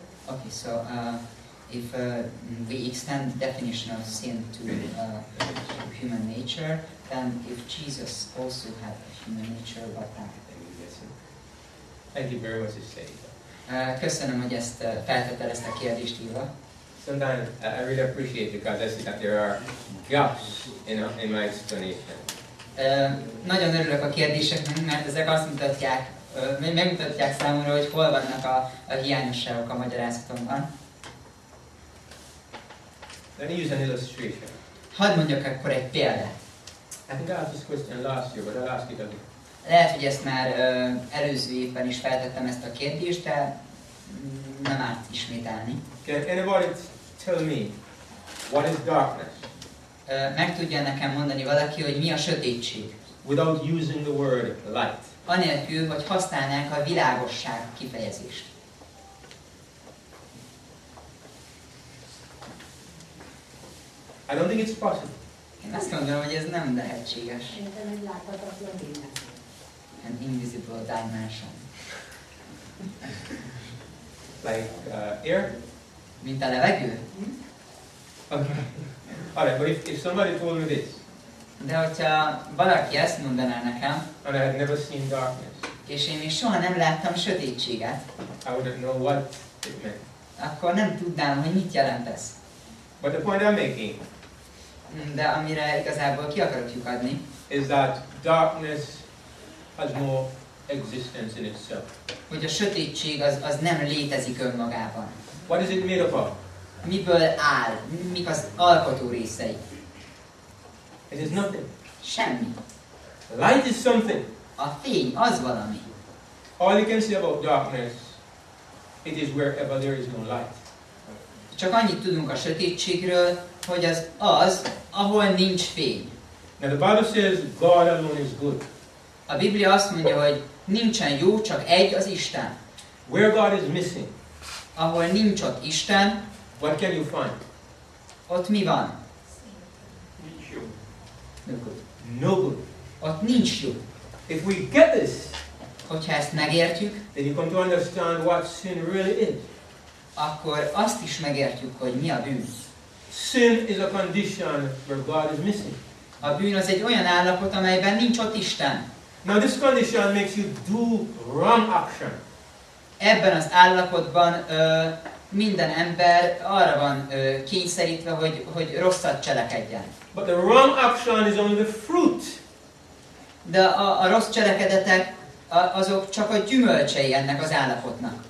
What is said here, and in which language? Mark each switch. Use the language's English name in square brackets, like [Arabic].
[English] Okay, so if we extend definition of sin to human nature, then if Jesus also had a human nature, what then? Thank you very much for saying that. [Hungarian] Köszönöm, hogy ezt feltettel ezt a kérdést írva. [English] Sometimes I really appreciate it because I see that there are gaps in my explanation. [Hungarian] Nagyon örülök a kérdéseknek, mert ezek azt mutatják, megmutatják számomra, hogy hol vannak a hiányosságok a magyarázatomban. [English] Let me use an illustration. [Hungarian] Hadd mondjak akkor egy példát. [English] I think I asked this question last year, but I'll ask it again. [Hungarian] Lehet, hogy ezt már előző évben is feltettem ezt a kérdést, de nem árt ismételni. [English] Can anybody tell me what is darkness? [Hungarian] Meg tudja nekem mondani valaki, hogy mi a sötétség? [English] Without using the word light. [Hungarian] Anélkül, hogy használnánk a világosság kifejezést. [English] I don't think it's possible. [Hungarian] Én azt gondolom, hogy ez nem lehetséges. Szerintem egy láthatatlan lényeg. [English] An invisible dimension. Like air? [Hungarian] Mint a levegő? [English] Okay. Alright, but if somebody told me this. [Hungarian] De hogyha valaki ezt mondaná nekem. [English] And I had never seen darkness. [Hungarian] És én még soha nem láttam sötétséget. [English] I wouldn't know what it meant. [Hungarian] Akkor nem tudnám, hogy mit jelent ez. [English] But the point I'm making. [Hungarian] De amire igazából ki akarok lyukadni. [English] Is that darkness has more existence in itself. [Hungarian] Hogy a sötétség az nem létezik önmagában. [English] What is it made up of? [Hungarian] Miből áll? Mik az alkotó részei? [English] It is nothing. [Hungarian] Semmi. [English] Light is something. [Hungarian] A fény az valami. [English] All you can say about darkness, it is wherever there is no light. [Hungarian] Csak annyit tudunk a sötétségről, hogy az az, ahol nincs fény. [English] Now the Bible says God alone is good. [Hungarian] A Biblia azt mondja, hogy nincsen jó, csak egy az Isten. [English] Where God is missing, [Hungarian] ahol nincs ott Isten, [English] what can you find? [Hungarian] Ott mi van? Nincs jó. [English] No good. No good. [Hungarian] Ott nincs jó. [English] If we get this, [Hungarian] hogyha ezt megértjük, [English] then you come to understand what sin really is. [Hungarian] Akkor azt is megértjük, hogy mi a bűn. [English] Sin is a condition where God is missing. [Hungarian] A bűn az egy olyan állapot, amelyben nincs ott Isten. [English] Now this condition makes you do wrong action. [Hungarian] Ebben az állapotban minden ember arra van kényszerítve, hogy rosszat cselekedjen. [English] But the wrong action is only the fruit. [Hungarian] De a rossz cselekedetek azok csak a gyümölcsei ennek az állapotnak.